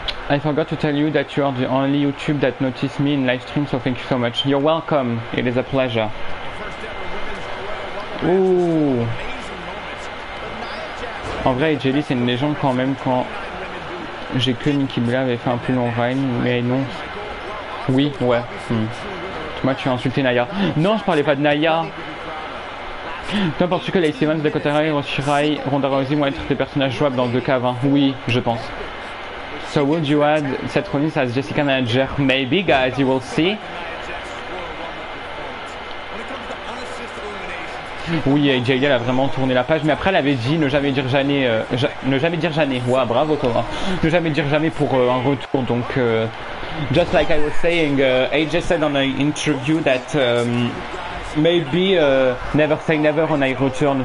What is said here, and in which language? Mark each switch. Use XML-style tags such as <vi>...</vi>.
<en>I forgot to tell you that you are the only YouTube that noticed me in live stream, so thank you so much. You're welcome. It is a pleasure.</en> <fr>Ooh. En vrai, AJ Lee, c'est une légende quand même. Quand j'ai que Nikki Bella avait fait un plus long reign, mais non. Oui, ouais. Moi, tu as insulté Naya. Non, je parlais pas de Naya. N'importe quoi, Lacey Evans, Dakota Rai, Roshi Rai, Ronda Rousey vont être des personnages jouables dans 2K20. Oui, je pense.</fr> <en>So would you add Seth Rollins as Jessica Manager? Maybe, guys, you will see.</en> <fr>Oui, AJ Lee a vraiment tourné la page, mais après elle avait dit ne jamais dire jamais. Ouais, bravo Thomas. Ne jamais dire jamais pour un retour.</fr> <en>Donc, just like I was saying, AJ said on an interview that maybe never say never when I return.</en>